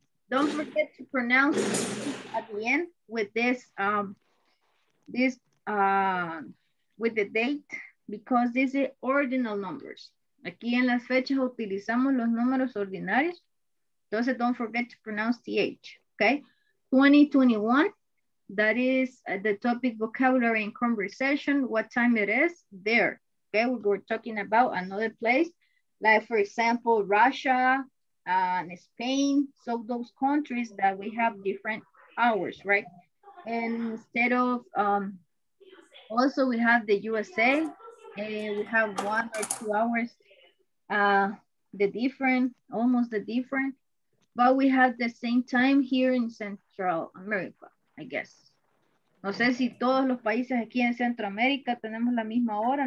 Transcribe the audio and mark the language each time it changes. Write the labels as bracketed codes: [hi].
[en] Don't forget to pronounce at the end with this, with the date, because this is ordinal numbers. [es] Aquí en las fechas utilizamos los números ordinarios. [en] Entonces, don't forget to pronounce the H, okay? 2021, that is the topic vocabulary and conversation, what time it is, there, okay? We were talking about another place, like for example, Russia, and Spain, so those countries that we have different hours, right? And instead of, also we have the USA, and we have 1 or 2 hours, almost the different, but we have the same time here in Central America, I guess. [es] No sé si todos los países aquí en Centroamérica tenemos la misma hora.